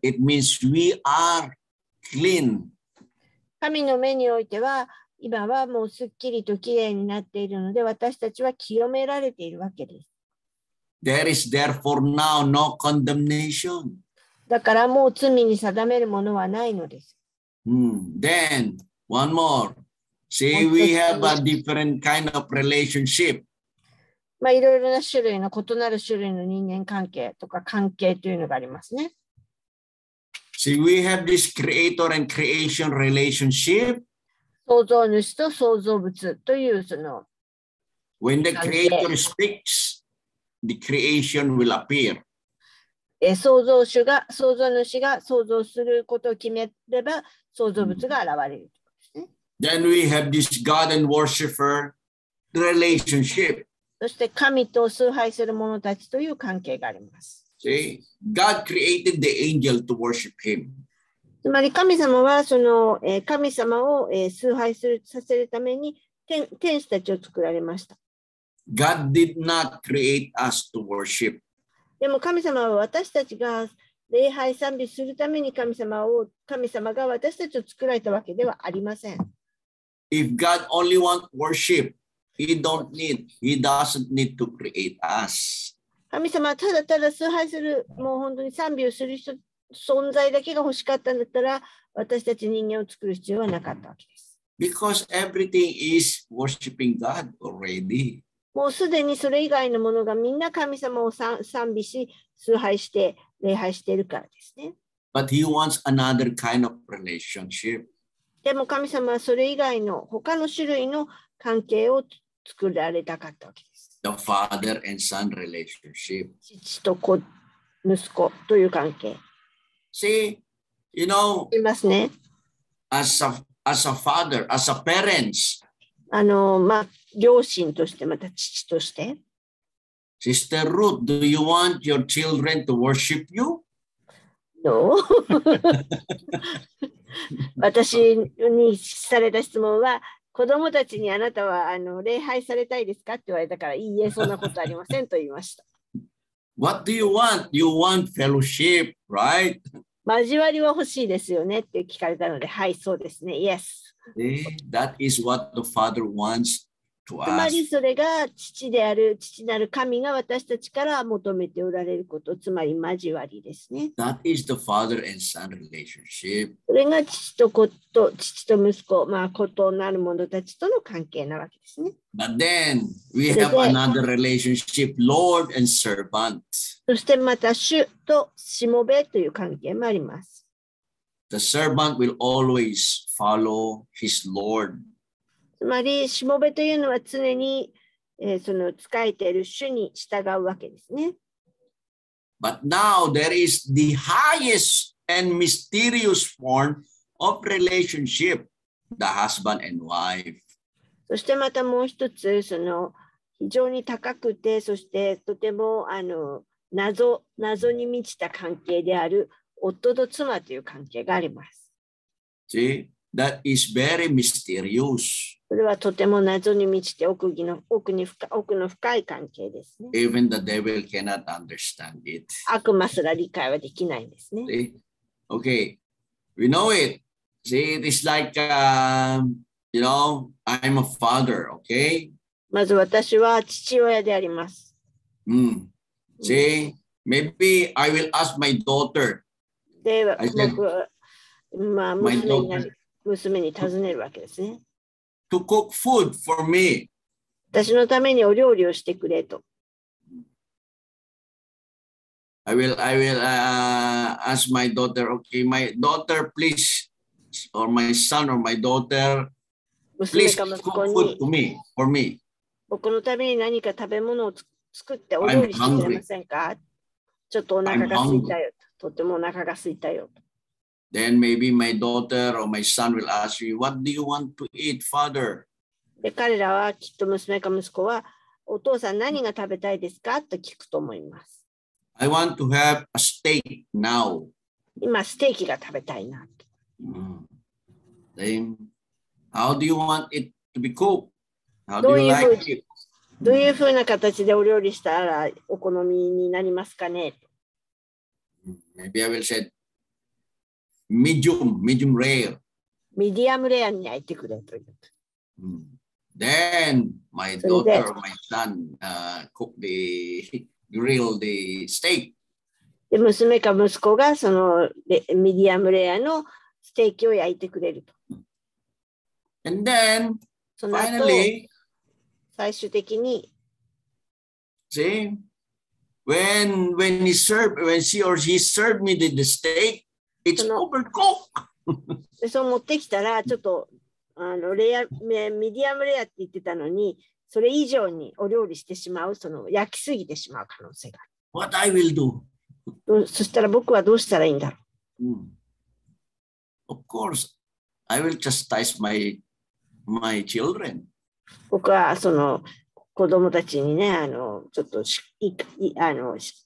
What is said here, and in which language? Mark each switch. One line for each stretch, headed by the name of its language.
English: It means we are clean.
Japanese: 神の目においては、今はもうすっきりときれいになっているので、私たちは清められているわけです。
English: There is therefore now no condemnation.
Japanese: だからもう罪に定めるものはないのです。
English: Then one more. See, we have a different kind of relationship.
Japanese: まあ、いろいろな種類の異なる種類の人間関係とか関係というのがありますね。
English: See, we have this creator and creation relationship.
Japanese: 創造主と創造物というその。
English: When the creator speaks, the creation will appear.
Japanese: 創造主が創造主が創造することを決めれば、創造物が現れる。
English: Then we have this God and worshipper relationship.
Japanese: そして神と崇拝する者たちという関係があります。
English: See, God created the angel to worship him.
Japanese: つまり神様はその神様を崇拝するさせるために天使たちを作られました。
English: God did not create us to worship.
Japanese: でも神様は私たちが礼拝賛美するために神様が私たちを作られたわけではありません。
English: If God only wants worship, He doesn't need to create us.
Japanese: 神様はただただ崇拝する、もう本当に賛美をする人存在だけが欲しかったんだったら、私たち人間を作る必要はなかったわけです。
English: Because everything is worshiping God already.
Japanese: もうすでにそれ以外のものがみんな神様を賛美し、崇拝して、礼拝しているからですね。
English: But he wants another kind of relationship.
Japanese: でも神様はそれ以外の他の種類の関係を作られたかったわけです。
English: The father and son relationship.
Japanese: 父と子、息子という関係。
English: See, you know,
Japanese: いますね。
English: As a father, as a parents.
Japanese: まあ、両親として、また父として。
English: Sister Ruth, do you want your children to worship you? No.
Japanese: 私にされた質問は、子供たちにあなたは礼拝されたいですかって言われたから、いいえ、そんなことありませんと言いました。
English: What do you want? You want fellowship, right?
Japanese: 交わりは欲しいですよねって聞かれたので、はい、そうですね、
English: yes. That is what the father wants to us.
Japanese: つまりそれが父である父なる神が私たちから求めておられること、つまり交わりですね。
English: That is the father and son relationship.
Japanese: それが父と子と父と息子、まあ子となる者たちとの関係なわけですね。
English: But then we have another relationship, Lord and servant.
Japanese: そしてまた主としもべという関係もあります。
English: The servant will always follow his Lord.
Japanese: つまり、しもべというのは常に、その仕えている主に従うわけですね。
English: But now there is the highest and mysterious form of relationship, the husband and wife.
Japanese: そしてまたもう一つ、その非常に高くて、そしてとてもあの 謎に満ちた関係である夫と妻という関係があります。
English: See, that is very mysterious.
Japanese: それはとても謎に満ちて奥の深い関係ですね。
English: Even the devil cannot understand it.
Japanese: 悪魔すら理解はできないんですね。
English: See? Okay, we know it. See, it is like, you know, I'm a father, okay?
Japanese: まず私は父親であります。 Mm.
English: See, maybe I will ask my daughter.
Japanese: では僕は、まあ、娘に尋ねるわけですね。
English: To cook food for me.
Japanese: 私のためにお料理をしてくれと。
English: I will ask my daughter, okay, my daughter, please, or my son or my daughter, please cook food to me, for me.
Japanese: 僕のために何か食べ物を作ってお料理してくれませんか？ちょっとお腹が空いたよ。とてもお腹が空いたよ。
English: Then maybe my daughter or my son will ask me, "What do you want to eat, father?"
Japanese: で彼らはきっと娘か息子はお父さん何が食べたいですかと聞くと思います。
English: I want to have a steak now.
Japanese: 今ステーキが食べたいなと。
English: Then how do you want it to be cooked? How do you like it?
Japanese: どういうふうな形でお料理したらお好みになりますかね。
English: Maybe I will say medium rare.
Japanese: Medium rare に焼いてくれと言う。
English: Then my daughter, my son, cook the grill the steak.
Japanese: で娘か息子がそのミディアムレアのステーキを焼いてくれると。
English: And then finally,
Japanese: 最終的に、
English: see. When he served, when she or he served me the steak, it's overcooked.
Japanese: そう持ってきたらちょっとあのレアミディアムレアって言ってたのにそれ以上にお料理してしまうその焼きすぎてしまう可能性がある。
English: What I will do?
Japanese: そしたら僕はどうしたらいいんだろう。
English: Of course, I will chastise my children.
Japanese: 僕はその子供たちにね、あのちょっとしいいあの。